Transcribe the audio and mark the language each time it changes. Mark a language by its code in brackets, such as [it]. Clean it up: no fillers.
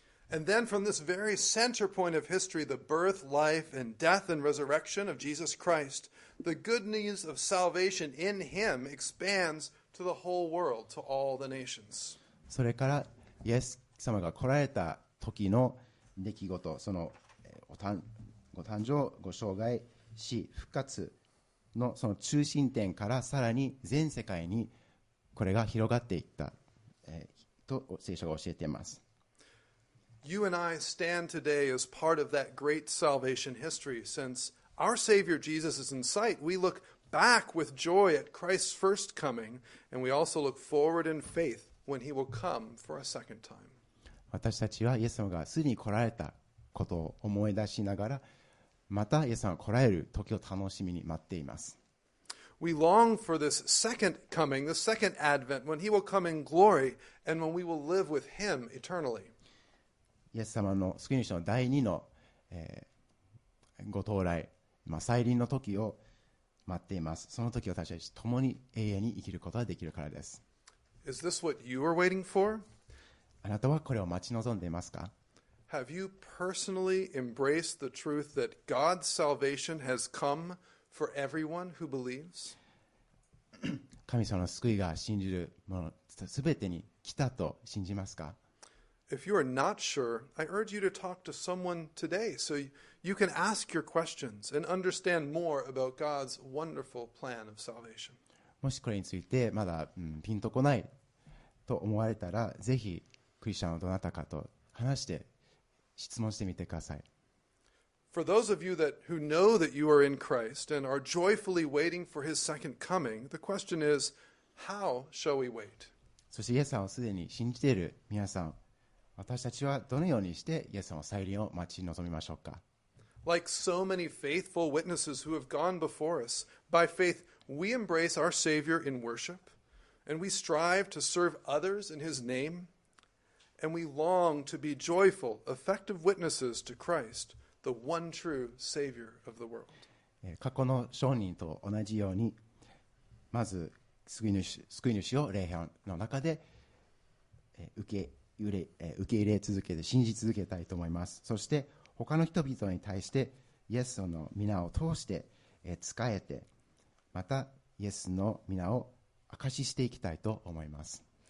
[en] And then from this very center point of history, the birth, life, and death and resurrection of Jesus Christ, the good news of salvation in him expands to the whole world, to all the nations. [ja] それから、イエス様が来られた時の出来事、そのご誕生、ご生涯、死、復活のその中心点からさらに全世界にこれが広がっていった、と聖書が教えています。 [en] You and I stand today as part of that great salvation history. Since our Savior Jesus is in sight, we look back with joy at Christ's first coming, and we also look forward in faith when He will come for a second time. [ja] 私たちはイエス様がすでに来られたことを思い出しながら、またイエス様が来られる時を楽しみに待っています。 [en] We long for this second coming, the second advent, when He will come in glory and when we will live with Him eternally. [ja] イエス様の救い主の第二の、ご到来、再臨の時を待っています。その時を私たち共に永遠に生きることができるからです。 [en] Is this what you are waiting for? [ja] あなたはこれを待ち望んでいますか? [en] Have you personally embraced the truth that God's salvation has come for everyone who believes? [ja] 神様の救いが信じる者すべてに来たと信じますか? [en] If you are not sure, I urge you to talk to someone today so you can ask your questions and understand more about God's wonderful plan of salvation. [ja] もしこれについてまだ、ピンとこないと思われたら、ぜひクリスチャンのどなたかと話して質問してみてください。 [en] For those of you that who know that you are in Christ and are joyfully waiting for His second coming, the question is, how shall we wait? [ja] そしてイエス様をすでに信じている皆さん、私たちはどのようにしてイエス様の再臨を待ち望みましょうか。 [en] Like so many faithful witnesses who have gone before us, by faith we embrace our Savior in worship, and we strive to serve others in His name, and we long to be joyful, effective witnesses to Christ, the one true Savior of the world. [ja] 過去の証人と同じように、まず救い主を礼拝の中で受け入れ続けて信じ続けたいと思います。そして他の人々に対してイエスの御名を通して仕えて、またイエスの御名を明かししていきたいと思います。